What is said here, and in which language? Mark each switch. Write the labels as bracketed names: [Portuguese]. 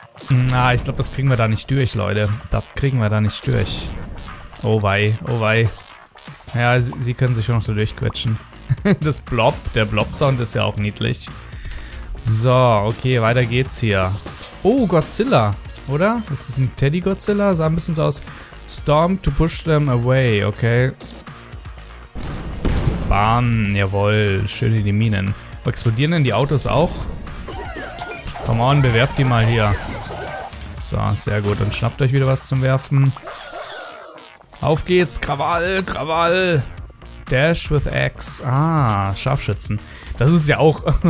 [German] Ich glaube, das kriegen wir da nicht durch, Leute. Das kriegen wir da nicht durch. Oh wei. Ja, sie können sich schon noch so durchquetschen. Das Blob, der Blob-Sound ist ja auch niedlich. So, okay, weiter geht's hier. Oh, Godzilla, oder? Ist das ein Teddy-Godzilla? Sah ein bisschen so aus. [English] Storm to push them away, okay. [German] Bam, jawohl, schön in die Minen. Explodieren denn die Autos auch? [English] Come on, [German] bewerf die mal hier. So, sehr gut. Und schnappt euch wieder was zum Werfen. Auf geht's. Krawall. [English] Dash with X. [German] Ah, Scharfschützen. Das ist ja auch...